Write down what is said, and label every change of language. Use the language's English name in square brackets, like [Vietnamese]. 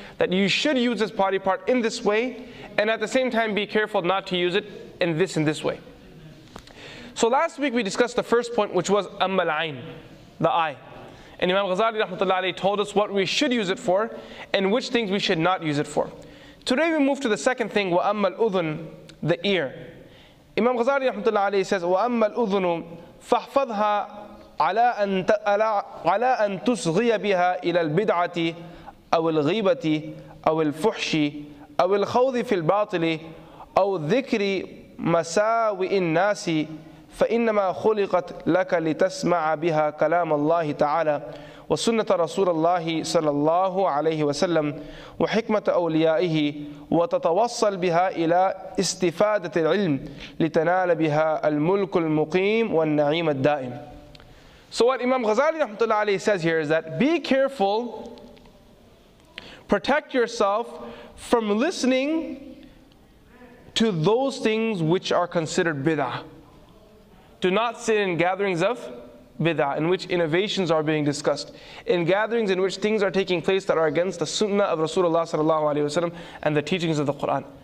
[English] That you should use this body part in this way, and at the same time be careful not to use it in this and this way. So last week we discussed the first point, which was [Arabic] أَمَّ الْعَيْنِ, [English] the eye. And Imam Ghazali rahmatullah alayhi told us what we should use it for and which things we should not use it for. Today we move to the second thing, [Arabic] وَأَمَّ الْأُذُنُ, [English] the ear. Imam Ghazali rahmatullah alayhi says, [Arabic] وَأَمَّ الْأُذُنُ فَاحْفَظْهَا عَلَىٰ أَن تُسْغِيَ بِهَا إِلَىٰ الْبِدْعَةِ أَوِ الْغِيبَةِ أَوِ الْفُحْشِ أَوِ الْخَوْضِ فِي الْبَاطِلِ أَوْ ذِكْرِ مَسَاوِئِ النَّاسِ فَإِنَّمَا خُلِقَتْ لَكَ لِتَسْمَعَ بِهَا كَلَامَ اللَّهِ تَعَالَى وَسُنَّةَ رَسُولَ اللَّهِ صَلَّى اللَّهُ عَلَيْهِ وَسَلَّمَ وَحِكْمَةَ أَوْلِيَائِهِ وَتَتَوَصَّلْ بِهَا إِلَى إِسْتِفَادَةِ الْعِلْمِ لِتَنَالَ بِهَا الْمُلْكُ الْمُقِيمُ وَالنَّعِيمَ الدَّائِمُ. [English] So what Imam Ghazali rahmatullah alayhi says here is that be careful, protect yourself from listening to those things which are considered bid'ah. Do not sit in gatherings of bid'ah, in which innovations are being discussed, in gatherings in which things are taking place that are against the sunnah of Rasulullah sallallahu alaihi wasallam and the teachings of the Quran.